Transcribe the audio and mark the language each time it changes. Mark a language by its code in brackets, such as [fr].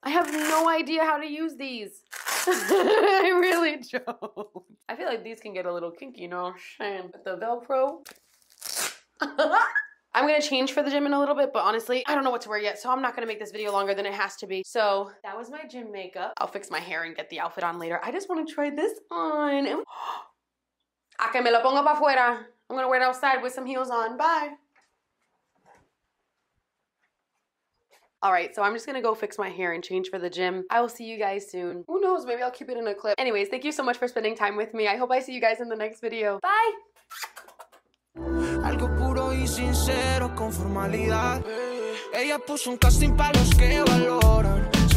[en] I have no idea how to use these. I really don't. I feel like these can get a little kinky, no shame. But the Velcro. I'm gonna change for the gym in a little bit, but honestly, I don't know what to wear yet, so I'm not gonna make this video longer than it has to be. So that was my gym makeup. I'll fix my hair and get the outfit on later. I just wanna try this on. [es] A que me lo ponga pa fuera. [en] I'm gonna wear it outside with some heels on. Bye. All right, so I'm just gonna go fix my hair and change for the gym. I will see you guys soon. Who knows, maybe I'll keep it in a clip. Anyways, thank you so much for spending time with me. I hope I see you guys in the next video. Bye. [es] Algo puro y sincero con formalidad. Ella puso un casting para los que valoran.